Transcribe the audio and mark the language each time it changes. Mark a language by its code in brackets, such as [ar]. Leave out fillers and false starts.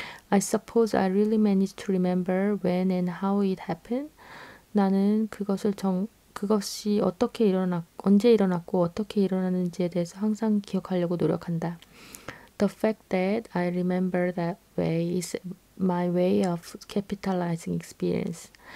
[en] I suppose I really managed to remember when and how it happened. [ko] 나는 그것이 어떻게 언제 일어났고 어떻게 일어났는지에 대해서 항상 기억하려고 노력한다. [en] The fact that I remember that way is my way of capitalizing experience.